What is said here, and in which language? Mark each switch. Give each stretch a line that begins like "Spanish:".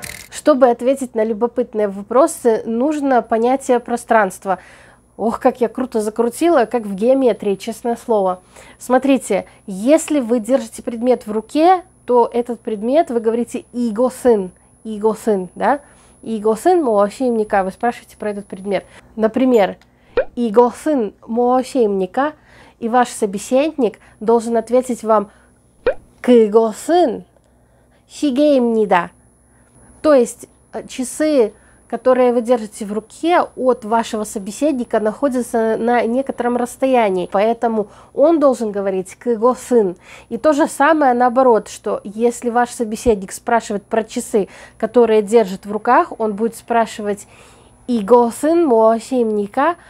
Russian: Чтобы ответить на любопытные вопросы, нужно понятие пространства. Ох, как я круто закрутила, как в геометрии, честное слово. Смотрите, если вы держите предмет в руке, то этот предмет вы говорите «иго-сын», «иго-сын», да?
Korean: 이것은 무엇입니까?
Russian: Вы спрашиваете про этот предмет. Например,
Korean: 이것은 무엇입니까?
Russian: И ваш собеседник должен ответить вам
Korean: 그것은 시계입니다.
Russian: То есть часы, которые вы держите в руке от вашего собеседника, находятся на некотором расстоянии. Поэтому он должен говорить
Korean: 그것은.
Russian: И то же самое наоборот, что если ваш собеседник спрашивает про часы, которые держит в руках, он будет спрашивать
Korean: 이것은 무엇입니까?